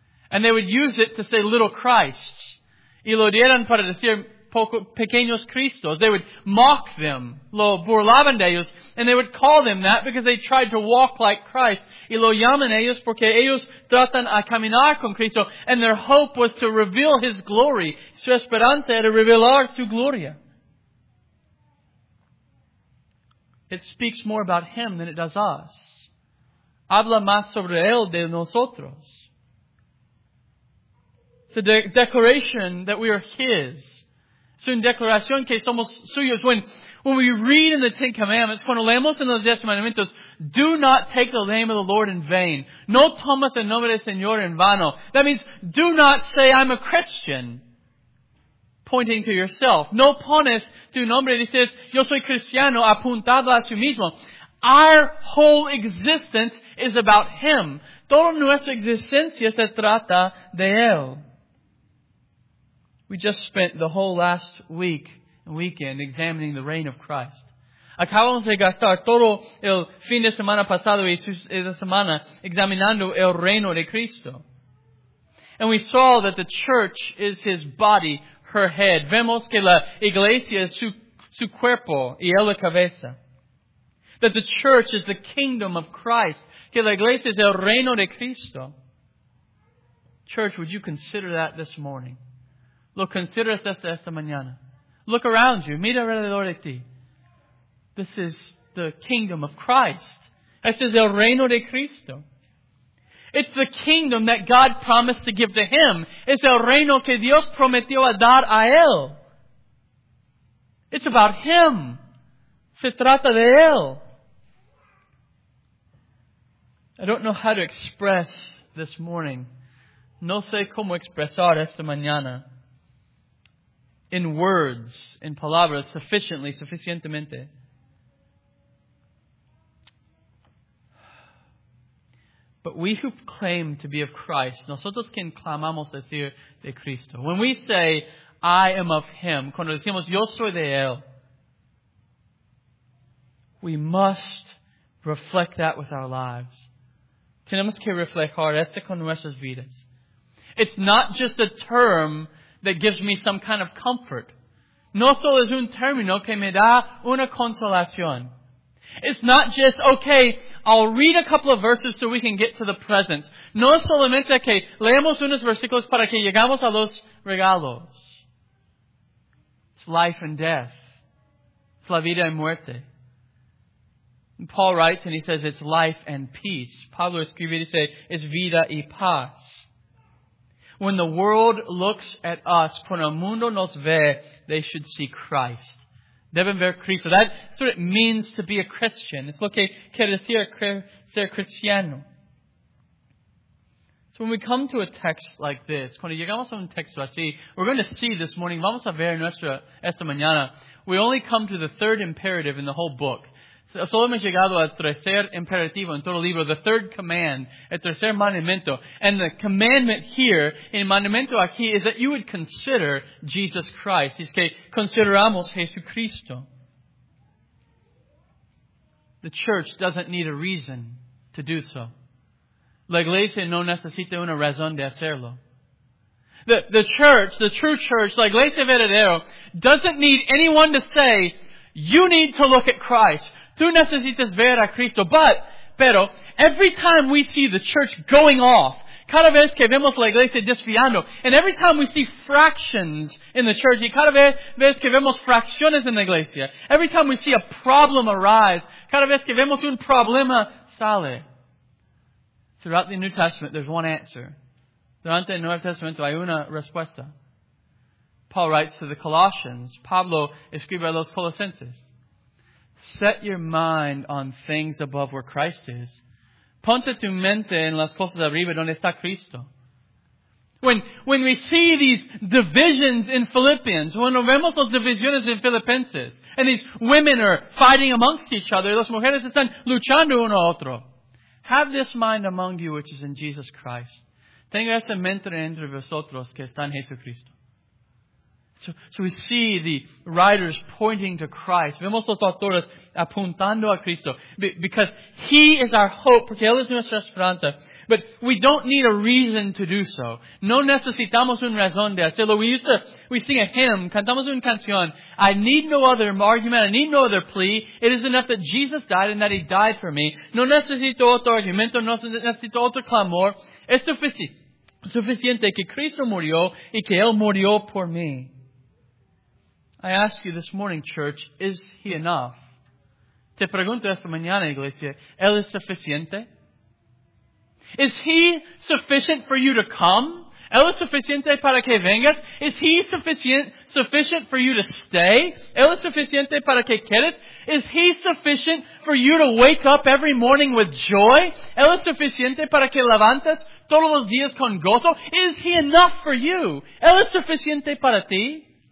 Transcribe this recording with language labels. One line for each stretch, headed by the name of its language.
English: And they would use it to say little Christs.
Spanish: Y lo dieron para decir pequeños Cristos.
English: They would mock them.
Spanish: Lo burlaban de ellos.
English: And they would call them that because they tried to walk like Christ.
Spanish: Y lo llaman ellos porque ellos tratan a caminar con Cristo.
English: And their hope was to reveal His glory.
Spanish: Su esperanza era revelar su gloria.
English: It speaks more about Him than it does us.
Spanish: Habla más sobre Él de nosotros.
English: It's a declaration that we are His.
Spanish: Es una declaración que somos suyos.
English: When we read in the Ten Commandments,
Spanish: cuando leemos en los Diez Mandamientos,
English: do not take the name of the Lord in vain.
Spanish: No tomas el nombre del Señor en vano.
English: That means, do not say, I'm a Christian. Pointing to yourself.
Spanish: No pones tu nombre, dices, yo soy cristiano, apuntado a sí mismo.
English: Our whole existence is about Him.
Spanish: Toda nuestra existencia se trata de Él.
English: We just spent the whole last week and weekend examining the reign of Christ.
Spanish: Acabamos de gastar todo el fin de semana pasado y esa semana examinando el reino de Cristo.
English: And we saw that the church is His body, her head.
Spanish: Vemos que la iglesia es su cuerpo y él la cabeza.
English: That the church is the kingdom of Christ.
Spanish: Que la iglesia es el reino de Cristo.
English: Church, would you consider that this morning?
Spanish: Lo consideras esta mañana.
English: Look around you.
Spanish: Mira alrededor de ti.
English: This is the kingdom of Christ.
Spanish: Este es el reino de Cristo.
English: It's the kingdom that God promised to give to Him.
Spanish: Es el reino que Dios prometió a dar a Él.
English: It's about Him.
Spanish: Se trata de Él.
English: I don't know how to express this morning.
Spanish: No sé cómo expresar esta mañana.
English: In words, in palabras, sufficiently, suficientemente. But we who claim to be of Christ,
Spanish: nosotros quien clamamos decir de Cristo.
English: When we say, I am of Him,
Spanish: cuando decimos, yo soy de Él,
English: we must reflect that with our lives.
Spanish: tenemos que reflejar esto con nuestras vidas.
English: It's not just a term that gives me some kind of comfort.
Spanish: No solo es un término que me da una consolación.
English: It's not just, okay, I'll read a couple of verses so we can get to the presence.
Spanish: No solamente que leemos unos versículos para que llegamos a los regalos.
English: It's life and death. It's
Spanish: la vida y muerte.
English: And Paul writes and he says it's life and peace.
Spanish: Pablo escribe y dice, es vida y paz.
English: When the world looks at us,
Spanish: cuando el mundo nos ve,
English: they should see Christ.
Spanish: Deben ver Cristo.
English: That's what it means to be a Christian.
Spanish: It's lo que quiere decir ser cristiano.
English: So when we come to a text like this,
Spanish: cuando llegamos a un texto así,
English: we're going to see this morning,
Spanish: vamos a ver esta mañana,
English: we only come to the third imperative in the whole book.
Spanish: Solo hemos llegado al tercer imperativo en todo el libro,
English: the third command,
Spanish: el tercer mandamiento.
English: And the commandment here,
Spanish: el mandamiento aquí,
English: is that you would consider Jesus Christ.
Spanish: Es que consideramos Jesucristo.
English: The church doesn't need a reason to do so.
Spanish: La iglesia no necesita una razón de hacerlo.
English: The church, the true church,
Spanish: la iglesia verdadera,
English: doesn't need anyone to say, you need to look at Christ.
Spanish: Tú necesitas ver a Cristo.
English: Pero, every time we see the church going off,
Spanish: cada vez que vemos la iglesia desviando,
English: and every time we see fractions in the church,
Spanish: y cada vez que vemos fracciones en la iglesia,
English: every time we see a problem arise,
Spanish: cada vez que vemos un problema sale.
English: Throughout the New Testament, there's one answer.
Spanish: Durante el Nuevo Testamento hay una respuesta.
English: Paul writes to the Colossians.
Spanish: Pablo escribe a los Colosenses.
English: Set your mind on things above where Christ is.
Spanish: Ponte tu mente en las cosas arriba donde está Cristo.
English: When we see these divisions in Philippians, when
Spanish: vemos las divisiones en Filipenses,
English: and these women are fighting amongst each other,
Spanish: las mujeres están luchando uno a otro.
English: Have this mind among you which is in Jesus Christ.
Spanish: Tenga esta mente entre vosotros que está en Jesucristo.
English: So we see the writers pointing to Christ.
Spanish: Vemos los autores apuntando a Cristo.
English: Because He is our hope,
Spanish: porque Él es nuestra esperanza.
English: But we don't need a reason to do so.
Spanish: No necesitamos un razón de hacerlo.
English: We sing a hymn,
Spanish: cantamos una canción.
English: I need no other argument, I need no other plea. It is enough that Jesus died and that He died for me.
Spanish: No necesito otro argumento, no necesito otro clamor. Es suficiente que Cristo murió y que Él murió por mí.
English: I ask you this morning, church, is He enough?
Spanish: Te pregunto esta mañana, iglesia, ¿Él es suficiente?
English: Is He sufficient for you to come?
Spanish: ¿Él es suficiente para que vengas?
English: Is He sufficient for you to stay?
Spanish: ¿Él es suficiente para que quedes?
English: Is He sufficient for you to wake up every morning with joy?
Spanish: ¿Él es suficiente para que levantes todos los días con gozo?
English: Is He enough for you?
Spanish: ¿Él es suficiente para ti?